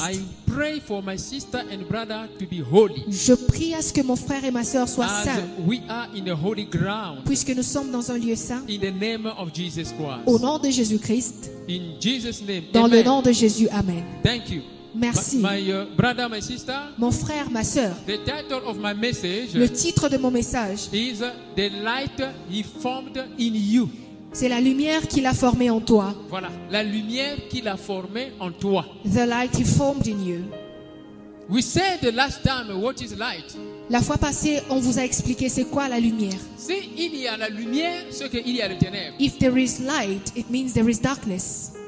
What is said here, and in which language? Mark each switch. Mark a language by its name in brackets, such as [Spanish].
[English] I pray for my sister and brother to be holy. [French] Je prie à ce que mon frère et ma sœur soient saints. [English] We are in the holy ground. [French] Puisque nous sommes dans un lieu saint. [English] In the name of Jesus Christ. [French] Au nom de Jésus-Christ. [English] In Jesus name. [French] Dans [English] Amen. [French] Le nom de Jésus. Amen. [English] Thank you. [French] Merci. [English] My brother, my sister. [French] Mon frère, ma sœur. [English] The title of my message. [French] Le titre de mon message. [English] Is the light he formed in you. [French] C'est la lumière qu'il a formée en toi. Voilà, la lumière qu'il a formée en toi. [English] The light he formed in you. We said the last time what is light. [French] La fois passée, on vous a expliqué c'est quoi la lumière. Si il y a la lumière, c'est qu'il y a le ténèbre. [English] If there is light, it means there is darkness.